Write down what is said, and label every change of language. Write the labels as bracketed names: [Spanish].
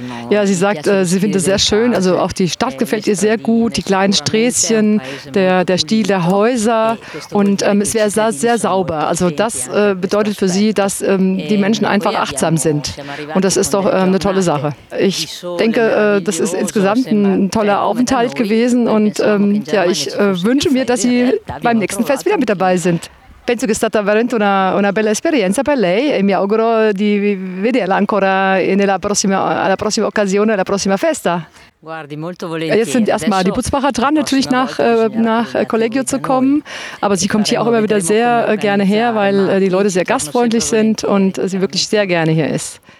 [German] Ja, sie sagt, sie findet es sehr schön, also auch die Stadt gefällt ihr sehr gut, die kleinen Sträßchen, der Stil der Häuser und es wäre sehr, sehr sauber. Also das bedeutet für sie, dass die Menschen einfach achtsam sind und das ist doch eine tolle Sache. Ich denke, das ist insgesamt ein toller Aufenthalt gewesen und ja, ich wünsche mir, dass Sie beim nächsten Fest wieder mit dabei sind. [Italian] Penso che è stata veramente una bella esperienza per lei e mi auguro di vederla ancora alla prossima occasione, alla prossima festa. Guardi, molto volentieri. [German] Jetzt sind erstmal die Butzbacher dran, natürlich nach Collegio zu kommen. Aber sie kommt hier auch immer wieder sehr gerne her, weil die Leute sehr gastfreundlich sind und sie wirklich sehr gerne hier ist.